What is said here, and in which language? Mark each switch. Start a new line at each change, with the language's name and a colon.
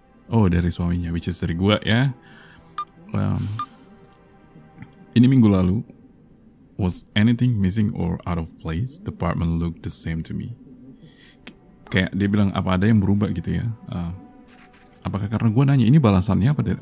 Indonesian: Oh, dari suaminya, which is dari gua ya. Ini minggu lalu.
English: Was anything missing or out of place? The apartment looked the same to me.
Indonesian: Kayak dia bilang apa ada yang berubah gitu ya. Apakah karena gua nanya ini balasannya apa dari?